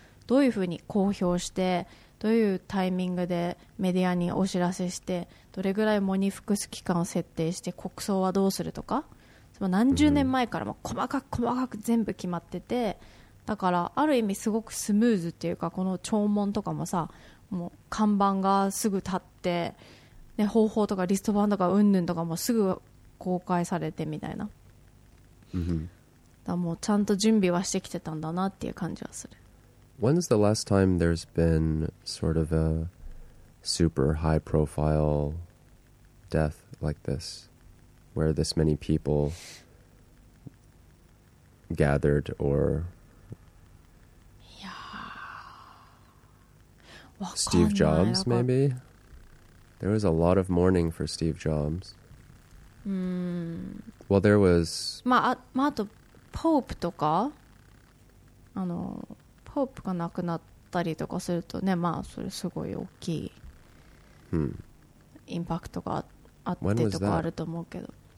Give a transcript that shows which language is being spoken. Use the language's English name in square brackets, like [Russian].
[Japanese] どういうふうに公表してどういうタイミングでメディアにお知らせしてどれぐらい喪に服す期間を設定して国葬はどうするとか何十年前からも細かく細かく全部決まってて、だからある意味すごくスムーズっていうか、この弔問とかもさ、もう看板がすぐ立って、ね、方法とかリストバンドがうんぬんとかもすぐ公開されてみたいな、 mm-hmm. だもうちゃんと準備はしてきてたんだなっていう感じはする。 [English] When's the last time there's been sort of a super high profile death like this, where this many people gathered or Steve Jobs maybe? There was a lot of mourning for Steve Jobs. Well, there was... [Japanese] まあ、あとポープとか、あのポープが亡くなったりとかするとね、まあそれすごい大きいインパクトがあってとかあると思うけど。